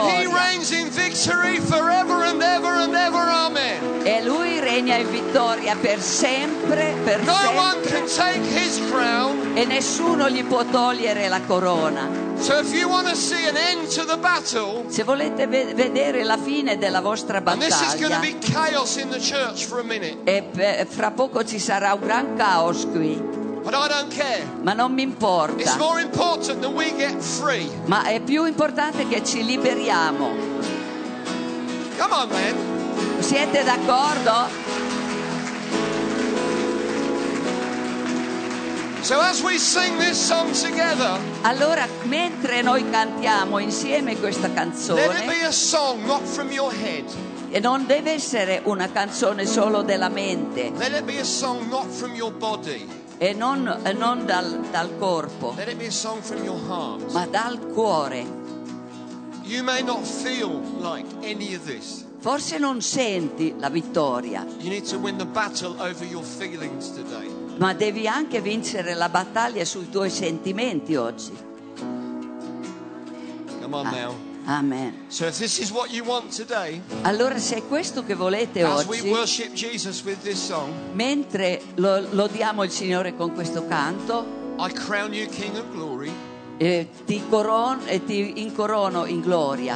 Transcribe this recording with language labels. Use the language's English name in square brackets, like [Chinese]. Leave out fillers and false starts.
[English] And he reigns in victory forever and ever and ever. Amen. [Italian] E lui regna in vittoria per sempre, per [English] no [Italian] sempre. [English] No one can take his crown. [Italian] E nessuno gli può togliere la corona. [English] So if you want to see an end to the battle, [Italian] se volete vedere la fine della vostra battaglia, [English] and this is going to be chaos in the church for a minute. [Italian] E fra poco ci sarà un gran caos qui. [English] But I don't care. [Italian] Ma non mi importa. [English] It's more important that we get free. [Italian] Ma è più importante che ci liberiamo. [English] Come on, man. [Italian] Siete d'accordo? [English] So as we sing this song together, [Italian] allora mentre noi cantiamo insieme questa canzone, [English] let it be a song not from your head. [Italian] E non deve essere una canzone solo della mente. [English] Let it be a song not from your body. [Italian] E non dal corpo, [English] let it be a song from your heart. [Italian] Ma dal cuore. [English] You may not feel like any of this. [Italian] Forse non senti la vittoria. [English] You need to win the battle over your feelings today. [Italian] Ma devi anche vincere la battaglia sui tuoi sentimenti oggi. [English] Come on now. Amen. So if this is what you want today, [Italian] allora se è questo che volete [English] as [Italian] oggi, [English] we worship Jesus with this song, [Italian] mentre lodiamo il Signore con questo canto, [English] I crown you King of Glory, [Italian] ti incorono in gloria.